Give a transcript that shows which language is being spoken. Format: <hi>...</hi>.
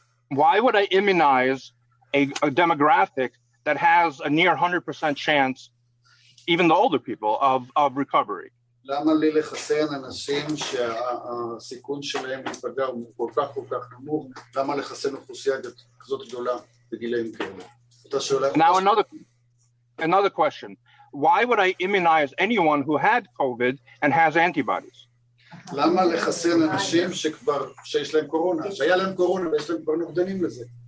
<en>Why would I immunize a demographic that has a near 100% chance, even the older people, of recovery?</en> <he>למה לי לחסן אנשים שהסיכון שלהם להיפגע הוא כל כך נמוך, למה לחסן אוכלוסייה כזאת גדולה בגילאים כאלה? אותה שאלה...</he> <en>Now, another question. Why would I immunize anyone who had COVID and has antibodies?</en> <he>למה לחסן אנשים שיש להם קורונה? שהיה להם קורונה ויש להם כבר נוגדנים לזה.</he>